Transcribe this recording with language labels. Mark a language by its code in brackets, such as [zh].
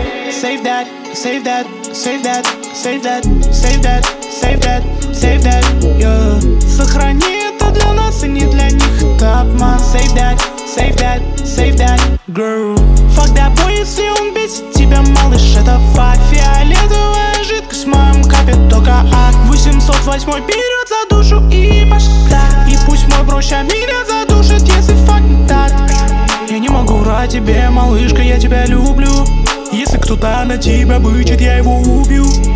[en] Save that, save that, save that, save that, save that, save that, yeah. [ru] Сохрани это для нас и не для них, это обман. [en] Save that, save that, save that, girl. Fuck that boy, [ru] если он бесит тебя, малыш, это факт. Фиолетовая жидкость в моем капе, только акт. 808 берет за душу и пошла. И пусть мой прощ меня задушит, если факт не так. Я не могу врать тебе, малышка, я тебя люблю. Если кто-то на тебя бычит, я его убью.